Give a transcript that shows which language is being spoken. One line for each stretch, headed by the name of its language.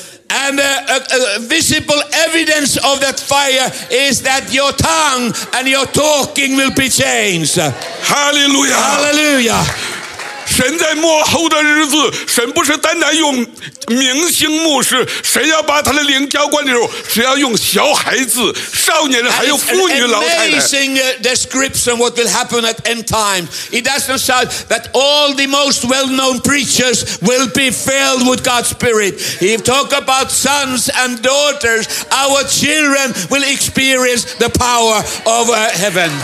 English: And a visible evidence of that fire is that your tongue and your talking will be changed. Hallelujah. Hallelujah.
Chinese: 神在末后的日子，神不是单单用明星牧师，神要把他的灵浇灌的时候，神要用小孩子、少年人，还有妇女、老太太。
English: Amazing description what will happen at end time. It doesn't say that all the most well-known preachers will be filled with God's Spirit. If talk about sons and daughters, our children will experience the power of heaven.